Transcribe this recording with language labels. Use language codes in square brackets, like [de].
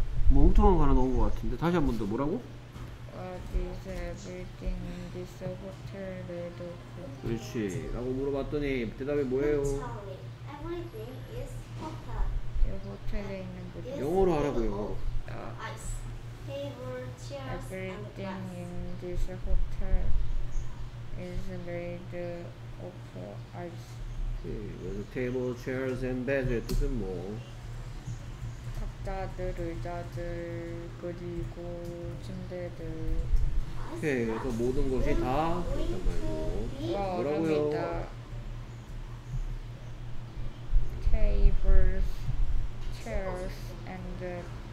[ko] 뭐 엉뚱한 거 하나 넣은 거 같은데 다시 한 번 더 뭐라고? [en] What is everything in this hotel made of? [ko] 그렇지. 라고 물어봤더니 대답이 뭐예요? [en] Everything is hotel. [ko] 이 호텔에 있는 거지. 영어로 하라고요. 아. [en] Everything in this hotel is made of ice. Okay, with the table, chairs, and beds, [ko] 뜻은 뭐? 탁자들, 의자들, 그리고 침대들. Okay, 그래서 모든 것이 다 그렇단 말이고. 뭐라고요? [en] Tables, chairs, and beds.